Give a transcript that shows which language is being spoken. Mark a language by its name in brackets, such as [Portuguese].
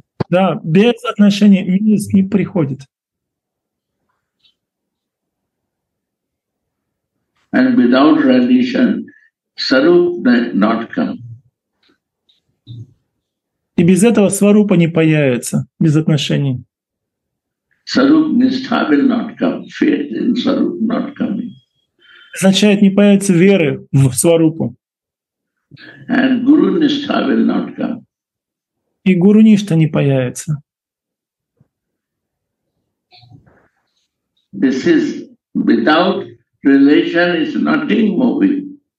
[Russian] Да, без отношений милость не приходит. [English] And without relation, Swarup not come. [Russian] И без этого Сварупа не появится, без отношений. [English] Swarup nistha will not come, faith in Swarup not coming. [Russian] Означает, не появится веры в Сварупу. [English] And Guru nistha will not come. [Russian] И гуру ништа не появится. [English] This is without relation is nothing moving.